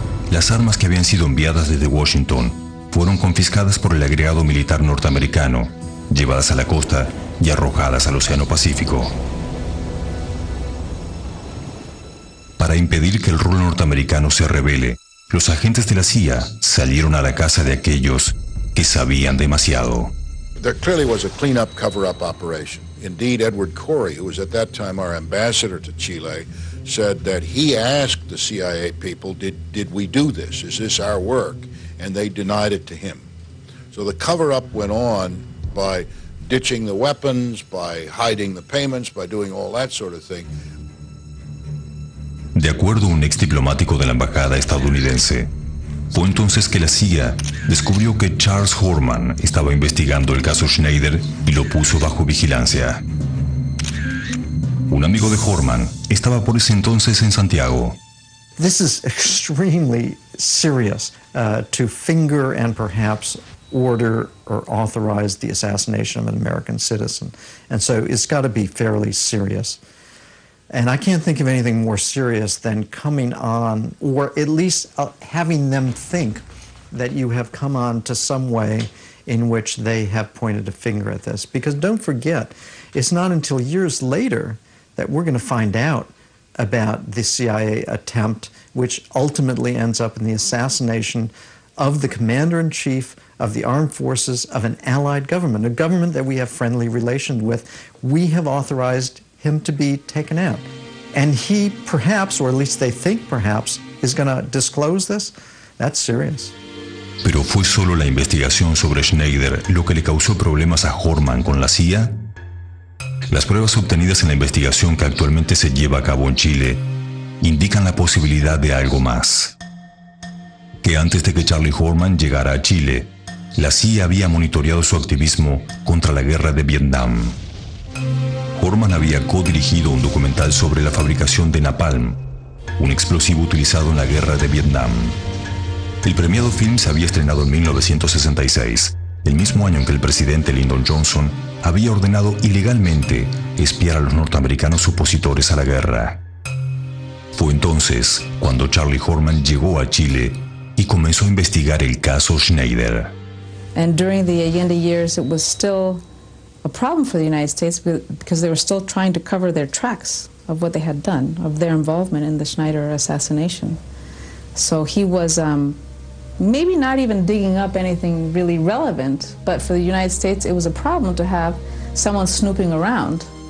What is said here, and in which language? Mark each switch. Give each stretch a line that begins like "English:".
Spanish: Las armas que habían sido enviadas desde Washington fueron confiscadas por el agregado militar norteamericano, llevadas a la costa y arrojadas al Océano Pacífico. Para impedir que el rol norteamericano se revele, los agentes de la CIA salieron a la caza de aquellos que sabían demasiado.
English: There clearly was a clean-up, cover-up operation. Indeed, Edward Corey, who was at that time our ambassador to Chile, said that he asked the CIA people, did we do this? Is this our work? And they denied it to him. So the cover-up went on by ditching the weapons, by hiding the payments, by doing all that sort of thing.
Spanish: de acuerdo a un ex diplomático de la embajada estadounidense. Fue entonces que la CIA descubrió que Charles Horman estaba investigando el caso Schneider y lo puso bajo vigilancia. Un amigo de Horman estaba por ese entonces en Santiago.
English: This is extremely serious to finger and perhaps order or authorize the assassination of an American citizen. And so it's got to be fairly serious. And I can't think of anything more serious than coming on, or at least having them think that you have come on to some way in which they have pointed a finger at this. Because don't forget, it's not until years later that we're going to find out about the CIA attempt, which ultimately ends up in the assassination of the commander-in-chief of the armed forces of an allied government, a government that we have friendly relations with. We have authorized him to be taken out. And he perhaps, or at least they think perhaps, is going to disclose this? That's serious.
Spanish: Pero fue solo la investigación sobre Schneider lo que le causó problemas a Horman con la CIA? Las pruebas obtenidas en la investigación que actualmente se lleva a cabo en Chile indican la posibilidad de algo más. Que antes de que Charlie Horman llegara a Chile, la CIA había monitoreado su activismo contra la guerra de Vietnam. Horman había codirigido un documental sobre la fabricación de napalm, un explosivo utilizado en la guerra de Vietnam. El premiado film se había estrenado en 1966, el mismo año en que el presidente Lyndon Johnson había ordenado ilegalmente espiar a los norteamericanos opositores a la guerra. Fue entonces cuando Charlie Horman llegó a Chile y comenzó a investigar el caso Schneider.
English: And during the Allende years, it was still a problem for the United States because they were still trying to cover their tracks of what they had done, of their involvement in the Schneider assassination. So he was maybe not even digging up anything really relevant, but for the United States, it was a problem to have someone snooping around.